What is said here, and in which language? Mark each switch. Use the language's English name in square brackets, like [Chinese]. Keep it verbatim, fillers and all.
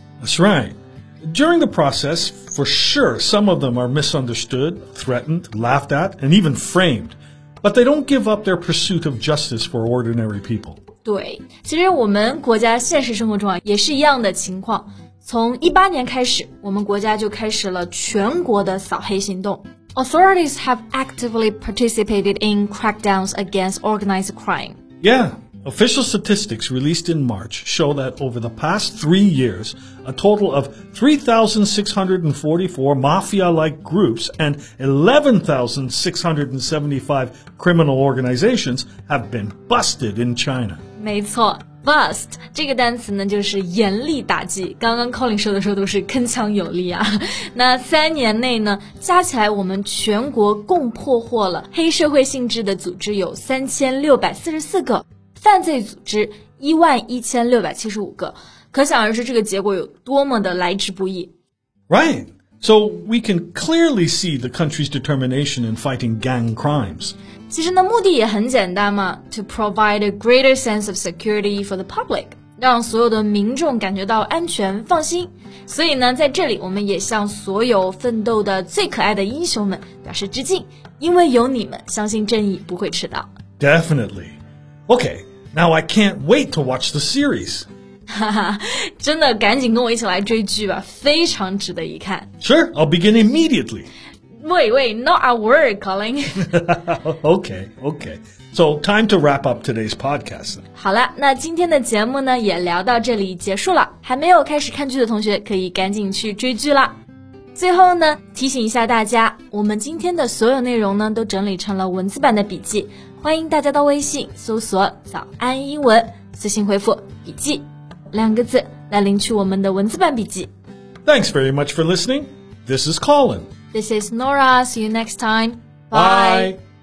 [English] That's right. During the process, for sure, some of them are misunderstood, threatened, laughed at, and even framed. But they don't give up their pursuit of justice for ordinary people. [Chinese] 对，其实我们国家现实生活中啊，也是一样的情况。从eighteen年开始，我们国家就开始了全国的扫黑行动。 [English] Authorities have actively participated in crackdowns against organized crime. Yeah, official statistics released in March show that over the past three years, a total of three thousand six hundred forty-four mafia-like groups and eleven thousand six hundred seventy-five criminal organizations have been busted in China. [Chinese] 没错。 Bust 这个单词呢就是严厉打击，刚刚 Colin 说的时候都是铿锵有力啊。那三年内呢，加起来我们全国共破获了黑社会性质的组织有三千六百四十四个，犯罪组织一万一千六百七十五个，可想而知这个结果有多么的来之不易。 [English] Right, so we can clearly see the country's determination in fighting gang crimes. [Chinese] 其实呢目的也很简单嘛 [English] to provide a greater sense of security for the public [Chinese] 让所有的民众感觉到安全放心，所以呢在这里我们也向所有奋斗的最可爱的英雄们表示致敬，因为有你们，相信正义不会迟到。 [English] Definitely. Okay, now I can't wait to watch the series. [Chinese] 哈哈，真的赶紧跟我一起来追剧吧，非常值得一看。 [English] Sure, I'll begin immediately. Wait, wait, not our word, Colin. Okay, okay. So, time to wrap up today's podcast. [Chinese] 好了，那今天的节目呢也聊到这里结束了。还没有开始看剧的同学可以赶紧去追剧了。最后呢，提醒一下大家，我们今天的所有内容呢都整理成了文字版的笔记，欢迎大家到微信搜索“早安英文”，私信回复“笔记”两个字来领取我们的文字版笔记。 [English] Thanks very much for listening. This is Colin. This is Nora. See you next time. Bye. Bye.